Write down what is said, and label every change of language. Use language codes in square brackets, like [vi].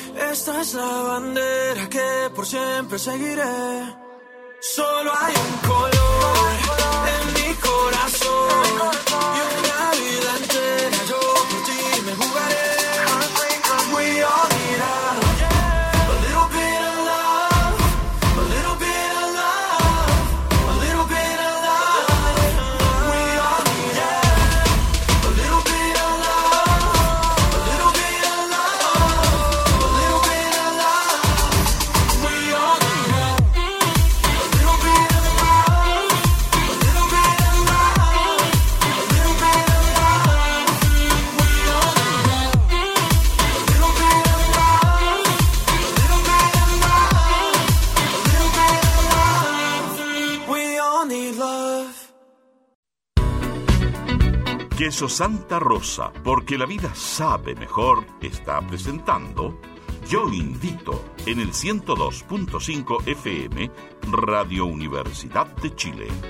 [es] Esta es la bandera que por siempre seguiré. Solo hay un color en mi corazón. Y una vida entera yo por ti me jugaré. [en] We all need a little bit of love. A little bit of love. A little bit of love. We all need a little bit of love. A little bit of love. A little bit of love. We all need a little bit of love. A little bit of love. A little bit of love. A little bit of love. We all need a little bit of love. A little bit of love. A little bit of love. We all need love. [es] Queso Santa Rosa, porque la vida sabe mejor, está presentando Yo Invito en el 102.5 FM, Radio Universidad de Chile.